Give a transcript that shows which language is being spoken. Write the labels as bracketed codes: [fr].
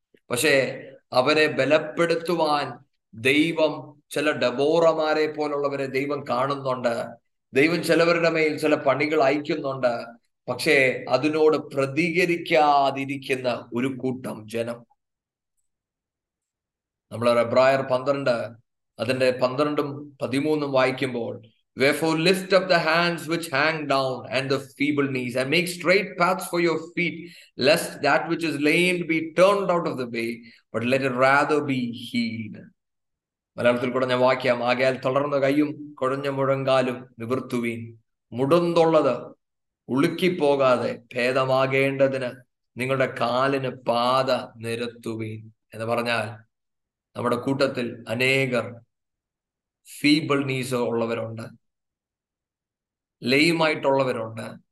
[ml] പക്ഷേ അവരെ ബലപ്പെടുത്തുവാൻ ദൈവം ചില ഡബോറമാരെ പോലുള്ളവരെ ദൈവം കാണുന്നുണ്ട്. ദൈവം ചിലവരുടെ മേൽ ചില പണികൾ അയക്കുന്നുണ്ട്. പക്ഷേ അതിനോട് പ്രതികരിക്കാതിരിക്കുന്ന ഒരു കൂട്ടം ജനം. നമ്മൾ എബ്രായർ 12:12-13 വായിക്കുമ്പോൾ, [en] Wherefore lift up the hands which hang down and the feeble knees and make straight paths for your feet, lest that which is lame be turned out of the way, but let it rather be healed. [ml] മലയാളത്തിൽ കുടഞ്ഞ വാക്യം, ആകയാൽ തളർന്ന കയ്യും കുഴഞ്ഞ മുഴങ്കാലും നിവർത്തുവീൻ. മുടന്തുള്ളത് ഉളുക്കിപ്പോകാതെ ഭേദമാകേണ്ടതിന് നിങ്ങളുടെ കാലിന് പാത നിരത്തുവീൻ. എന്ന് പറഞ്ഞാൽ നമ്മുടെ കൂട്ടത്തിൽ അനേകർ [en] feebleness [ml] ഉള്ളവരുണ്ട്, ലെയ്മായിട്ടുള്ളവരുണ്ട്.